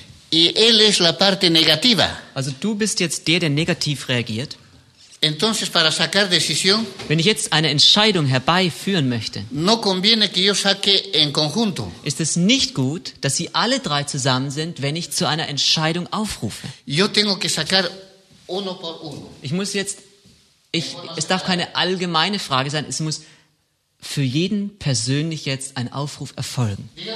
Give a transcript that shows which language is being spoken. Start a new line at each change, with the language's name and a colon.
Spanish: Y él es la parte negativa.
German: Also du bist jetzt der negativ reagiert.
Spanish: Entonces, para sacar decisión,
German: wenn ich jetzt eine Entscheidung herbeiführen möchte,
Spanish: no conviene que yo saque en conjunto.
German: Ist es nicht gut, dass sie alle drei zusammen sind, wenn ich zu einer Entscheidung aufrufe.
Spanish: Yo tengo que sacar uno por uno.
German: Es darf keine allgemeine Frage sein, es muss für jeden persönlich jetzt ein Aufruf erfolgen.